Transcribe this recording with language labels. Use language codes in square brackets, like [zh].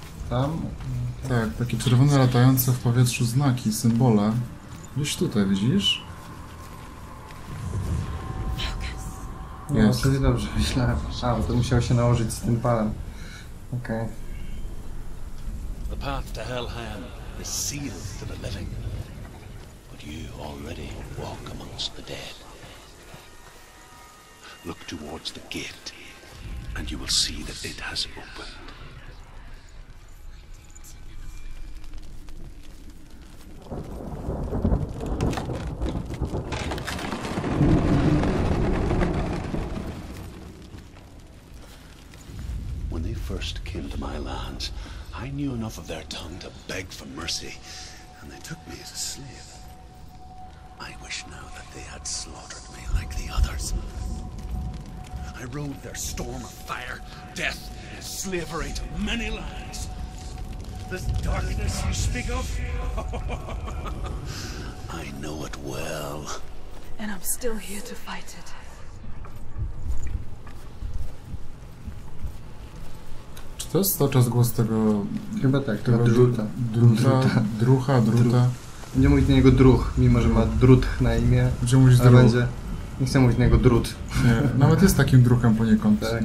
[pl] Tam? Tak, takie czerwone latające w powietrzu znaki, symbole. Gdzieś tutaj, widzisz? No, to jest dobrze, myślałem. A, to musiał się nałożyć z tym palem. Okay. [en] The path to Helheim is sealed to the living, but you already walk amongst the dead. Look towards the gate, and you will see that it has opened. First came to my lands, I knew enough of their tongue to beg for mercy, and they took me as a slave. I wish now that they had slaughtered me like the others. I rode their storm of fire, death, slavery to many lands. This darkness you speak of? I know it well. And I'm still here to fight it. [pl] To jest cały czas głos tego... Chyba tak, tego druta. Druta. Będzie mówić na niego druh, mimo że ma drut na imię. Będzie mówić druh. Będzie... Nie chcę mówić na niego drut. Nie, nawet jest takim druhem poniekąd tak,